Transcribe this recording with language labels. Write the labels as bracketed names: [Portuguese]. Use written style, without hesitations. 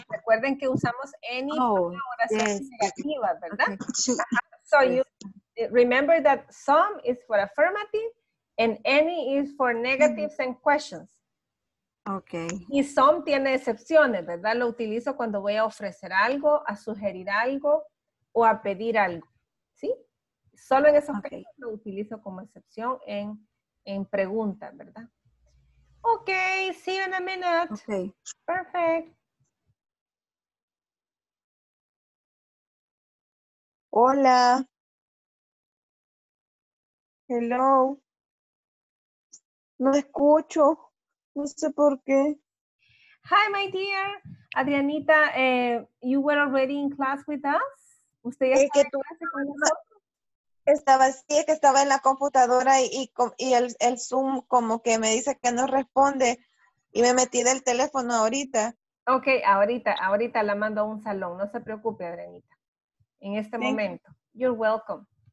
[Spanish] Recuerden que usamos any para oraciones negativas, ¿verdad? [English] Okay. So you remember that some is for affirmative and any is for negatives and questions. Okay. [Spanish] Y some tiene excepciones, ¿verdad? Lo utilizo cuando voy a ofrecer algo, a sugerir algo o a pedir algo, ¿sí? Solo en esos casos lo utilizo como excepción en preguntas, ¿verdad? [English] Okay, see you in a minute. Okay. Perfect. [Spanish] Hola. [English] Hello. [Spanish] No escucho. No sé por qué. [English] Hi, my dear. Adrianita, you were already in class with us? [Spanish] ¿Usted ya está en clase con nosotros? Estaba así, que estaba en la computadora y el Zoom como que me dice que no responde y me metí del teléfono ahorita. Ok, ahorita la mando a un salón. No se preocupe, Adrianita. En este [English] Thank [Spanish] momento. [English] You. You're welcome.